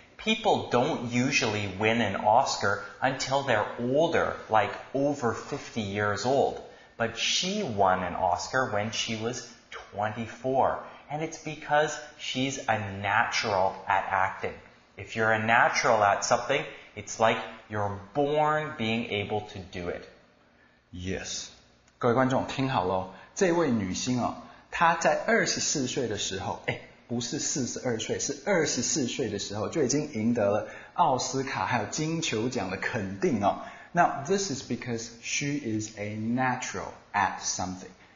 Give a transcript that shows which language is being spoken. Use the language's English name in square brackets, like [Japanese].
[English] People don't usually win an Oscar until they're older, like over 50 years old. But she won an Oscar when she was 24. And it's because she's a natural at acting. If you're a natural at something... It's like you're born being able to do it. Yes. [Chinese] 各位观众听好咯。这位女星哦她在24岁的时候不是42岁，是24岁的时候就已经赢得了奥斯卡还有金球奖的肯定哦。 [English] Now, this is because she is a natural at something.